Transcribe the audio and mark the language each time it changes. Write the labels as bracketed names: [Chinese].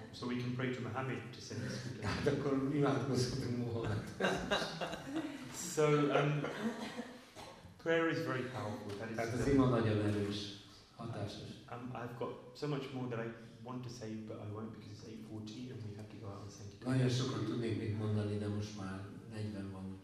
[English] So we can pray to Muhammad to send us food. [Hungarian] Hát akkor imádkozhatunk Muhammad. [English] So prayer is very powerful. That is. [Hungarian] Hát az ima nagyon erős, hatásos. [English] I've got so much more that I want to say, but I won't because it's 8:40 and we have to go out and send it. [Hungarian] Nagyon sokat tudnék még mondani, de most már 40 van.